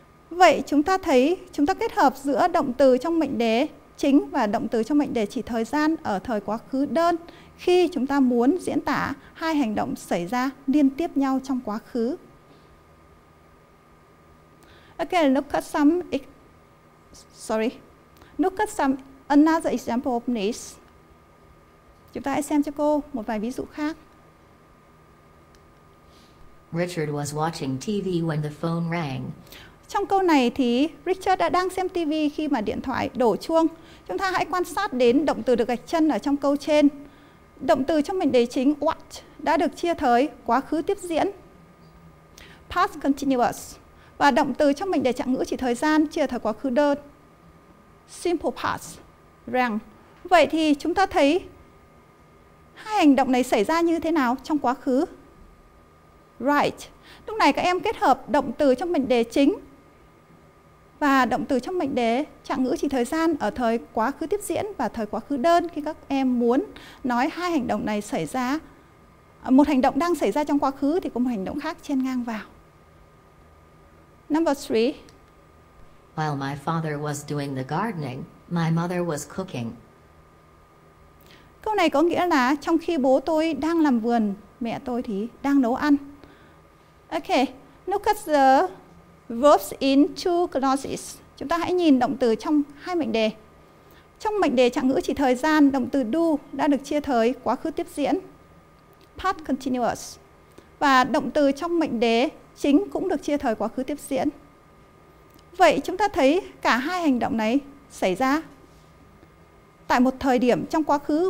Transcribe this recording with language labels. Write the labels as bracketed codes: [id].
[vi] Vậy chúng ta thấy chúng ta kết hợp giữa động từ trong mệnh đề chính và động từ trong mệnh đề chỉ thời gian ở thời quá khứ đơn khi chúng ta muốn diễn tả hai hành động xảy ra liên tiếp nhau trong quá khứ. [en] Okay, look at another example of this. [vi] Chúng ta hãy xem cho cô một vài ví dụ khác. [en] Richard was watching TV when the phone rang. [vi] Trong câu này thì Richard đã đang xem TV khi mà điện thoại đổ chuông. Chúng ta hãy quan sát đến động từ được gạch chân ở trong câu trên. Động từ trong mệnh đề chính watch đã được chia thời quá khứ tiếp diễn, past continuous. Và động từ trong mệnh đề trạng ngữ chỉ thời gian chia thời quá khứ đơn, simple past, rang. Vậy thì chúng ta thấy hai hành động này xảy ra như thế nào trong quá khứ? Right. Lúc này các em kết hợp động từ trong mệnh đề chính và động từ trong mệnh đề trạng ngữ chỉ thời gian ở thời quá khứ tiếp diễn và thời quá khứ đơn khi các em muốn nói hai hành động này xảy ra. Một hành động đang xảy ra trong quá khứ thì có một hành động khác chen ngang vào. Number 3. [en] While my father was doing the gardening, my mother was cooking. [vi] Câu này có nghĩa là trong khi bố tôi đang làm vườn, mẹ tôi thì đang nấu ăn. [en] Okay, look at the verbs in two clauses. [vi] Chúng ta hãy nhìn động từ trong hai mệnh đề. Trong mệnh đề trạng ngữ chỉ thời gian, động từ do đã được chia thời quá khứ tiếp diễn, past continuous. Và động từ trong mệnh đề chính cũng được chia thời quá khứ tiếp diễn. Vậy chúng ta thấy cả hai hành động này xảy ra tại một thời điểm trong quá khứ.